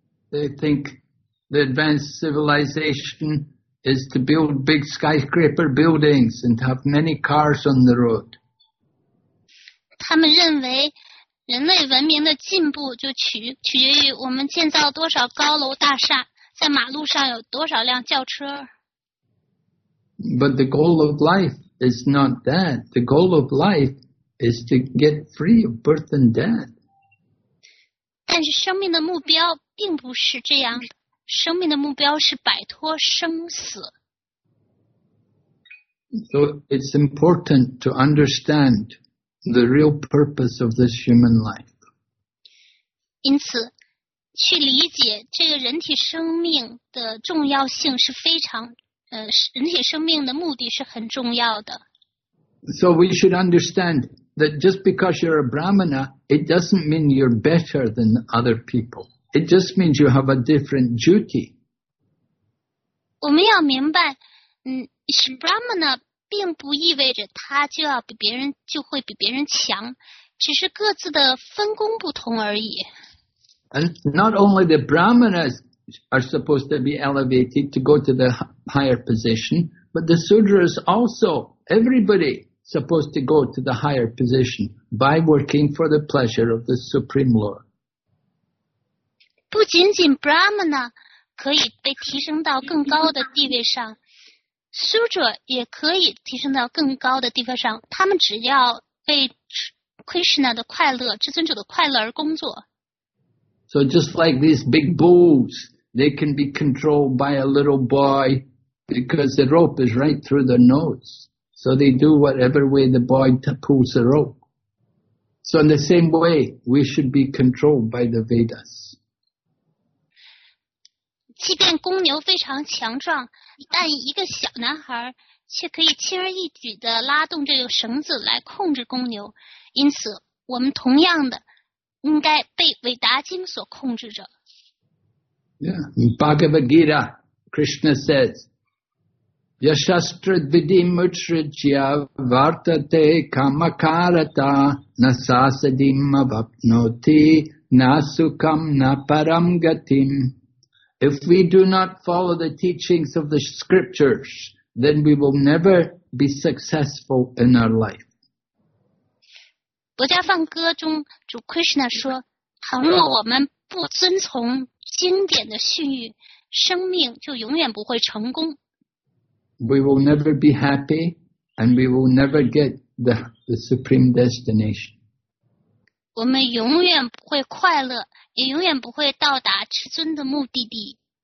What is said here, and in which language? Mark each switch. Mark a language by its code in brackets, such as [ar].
[en] They think the advanced civilization is to build big skyscraper buildings and have many cars on the road. [zh] 他们认为人类文明的进步就取决于我们建造多少高楼大厦，在马路上有多少辆轿车。 [en] But the goal of life is not that. The goal of life is to get free of birth and death. [zh] 但是生命的目标并不是这样的。生命的目标是摆脱生死。 [en] So it's important to understand the real purpose of this human life. [zh] 因此，去理解这个人体生命的重要性是非常，人体生命的目的是很重要的。 [en] So we should understand that just because you're a Brahmana, it doesn't mean you're better than other people. It just means you have a different duty. [zh] 我们要明白，是 Brahmana 并不意味着他就要比别人就会比别人强，只是各自的分工不同而已。 [en] And not only the Brahmanas are supposed to be elevated to go to the higher position, but the Sudras also, everybody supposed to go to the higher position by working for the pleasure of the Supreme Lord. [zh] 不仅仅 Brahmana 可以被提升到更高的地位上，修者也可以提升到更高的地方上，他们只要为 Krishna 的快乐、至尊者的快乐而工作。 [en] So just like these big bulls, they can be controlled by a little boy because the rope is right through their nose. So they do whatever way the boy pulls the rope. So in the same way, we should be controlled by the Vedas. [zh] 即便公牛非常强壮，但一个小男孩却可以轻而易举地拉动这个绳子来控制公牛。因此，我们同样的应该被韦达经所控制着。 [en] Yeah, in Bhagavad Gita, Krishna says, [sa] "Yashastra vidimutrajya vartate kamakarata nasasadim avapnoti nasukam naparamgatim." [en] If we do not follow the teachings of the scriptures, then we will never be successful in our life. [zh] 薄伽梵歌中主 Krishna 说，倘若我们不遵从经典的训谕，生命就永远不会成功。 [en] We will never be happy, and we will never get the supreme destination. [zh] 我们永远不会快乐，也永远不会到达至尊的目的地。